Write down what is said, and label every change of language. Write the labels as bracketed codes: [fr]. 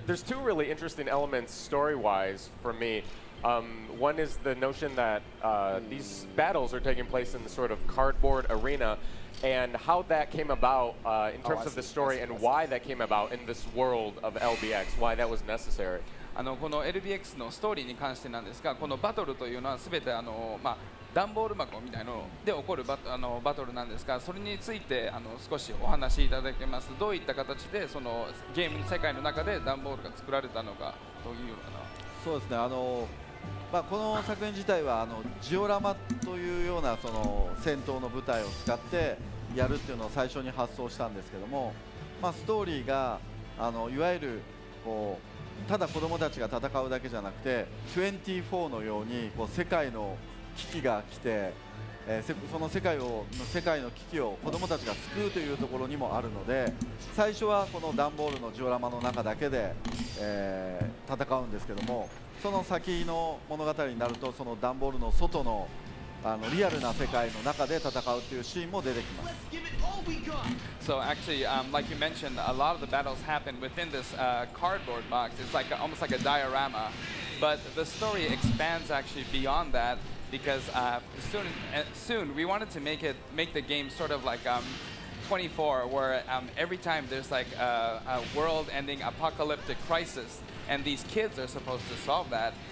[en] There's two really interesting elements story-wise for me. One is the notion that these battles are taking place in the sort of cardboard arena, and how that came about in terms of the story and why that came about in this world of LBX, why that was necessary. [ja] この LBX のストーリーに関してなんですが、このバトルというのはすべてまあ、ダンボール箱みたいので起こるバトルなんですが、それについて少しお話しいただけます。どういった形でそのゲームの世界の中でダンボールが作られたのかというかな。そうですね、まあ、この作品自体はジオラマというようなその戦闘の舞台を使ってやるっていうのを最初に発想したんですけども、まあ、ストーリーがいわゆるこうただ子供たちが戦うだけじゃなくて24のようにこう世界の危機が来て、その世界の危機を子供たちが救うというところにもあるので、最初はこの段ボールのジオラマの中だけで、戦うんですけども、その先の物語になるとその段ボールの外の、あのリアルな世界の中で戦うというシーンも出てきます。 [en] So actually、like you mentioned, a lot of the battles happen within this、cardboard box. It's like almost like a diorama. But the story expands actually beyond that, because、soon we wanted to make the game sort of like、24, where、every time there's like a world-ending apocalyptic crisis, and these kids are supposed to solve that.